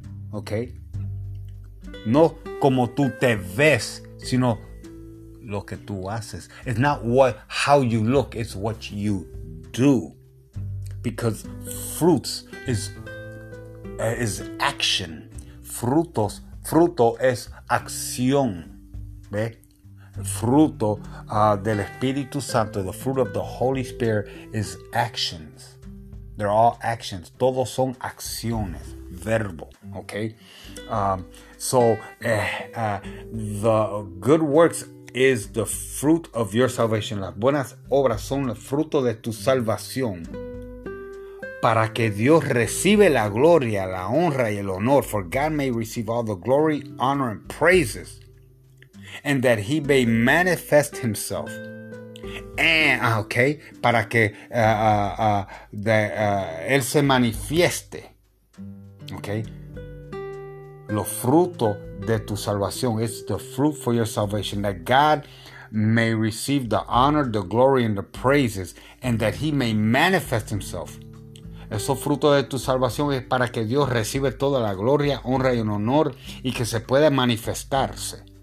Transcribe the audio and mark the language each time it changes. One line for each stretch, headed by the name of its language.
Spanish: Okay, no como tú te ves, sino lo que tú haces.
English: It's not what how you look; it's what you do. Because fruits is action.
Spanish: Frutos, fruto es acción. ¿Ve? Fruto del Espíritu Santo,
English: the fruit of the Holy Spirit is actions. They're all actions.
Spanish: Todos son acciones, verbo, okay?
English: The good works is the fruit of your salvation.
Spanish: Las buenas obras son el fruto de tu salvación. Para que Dios recibe la gloria, la honra y el honor.
English: For God may receive all the glory, honor, and praises. And that he may manifest himself.
Spanish: Para que él se manifieste.
English: Okay.
Spanish: Lo fruto de tu salvación.
English: It's the fruit for your salvation. That God may receive the honor, the glory, and the praises. And that he may manifest himself.
Spanish: Eso fruto de tu salvación es para que Dios reciba toda la gloria, honra y honor y que se pueda manifestarse.